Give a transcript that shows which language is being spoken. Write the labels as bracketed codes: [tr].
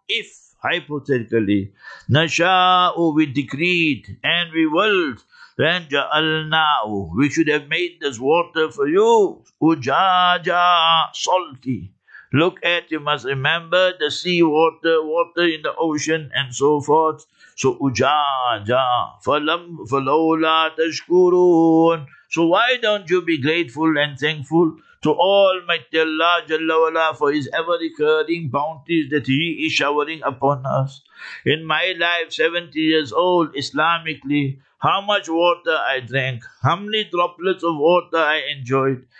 [en] If, hypothetically, [ar] نَشَاءُ, [en] we decreed, and we will, then [ar] جَعَلْنَاهُ, [en] we should have made this water for you, [ar] أُجَاجًا, [en] salty. Look at, you must remember, the sea water, water in the ocean, and so forth. So, [ar] أُجَاجًا, فَلَوْلَا تَشْكُرُونَ. [en] So why don't you be grateful and thankful to Almighty Allah Jalla Wala for His ever-recurring bounties that He is showering upon us? In my life, 70 years old, Islamically, how much water I drank, how many droplets of water I enjoyed.